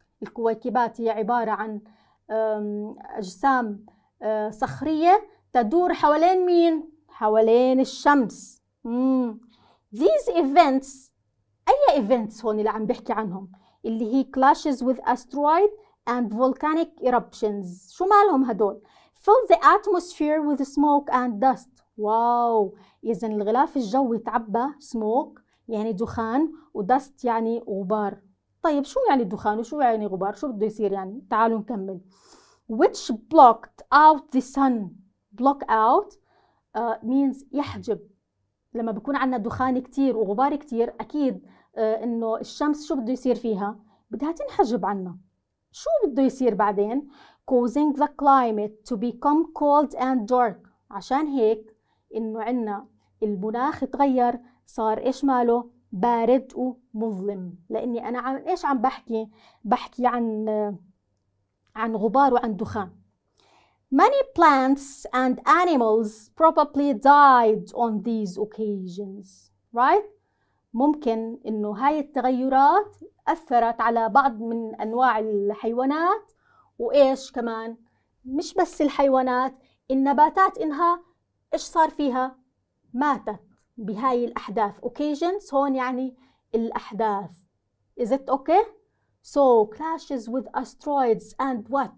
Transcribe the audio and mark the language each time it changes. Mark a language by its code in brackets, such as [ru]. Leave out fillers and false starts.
[ar] الكويكبات هي عبارة عن أجسام صخرية تدور حوالين مين؟ حوالين الشمس. [en] These events, [ar] أي events هون اللي عم بحكي عنهم؟ اللي هي [en] clashes with asteroid and volcanic eruptions. [ar] شو مالهم هدول؟ [en] Fill the atmosphere with smoke and dust. [ar] واو، إذن الغلاف الجوي تعبى سموك يعني دخان ودست يعني غبار. طيب شو يعني دخان وشو يعني غبار؟ شو بده يصير يعني؟ تعالوا نكمل. [en] Which blocked out the sun. Block out means يحجب. [ar] لما بكون عندنا دخان كتير وغبار كتير أكيد إنه الشمس شو بده يصير فيها؟ بدها تنحجب عنا. شو بده يصير بعدين؟ [en] Causing the climate to become cold and dark. [ar] عشان هيك إنه عنا المناخ تغير صار إيش ماله؟ بارد ومظلم. لأني أنا عن إيش عم بحكي؟ بحكي عن غبار وعن دخان. [en] Many plants and animals probably died on these occasions. Right? [ar] ممكن إنه هاي التغيرات أثرت على بعض من أنواع الحيوانات، وإيش كمان؟ مش بس الحيوانات، النباتات إنها إيش صار فيها؟ ماتت بهاي الأحداث. occasions هون يعني الأحداث. [en] Is it okay? So clashes with asteroids and what?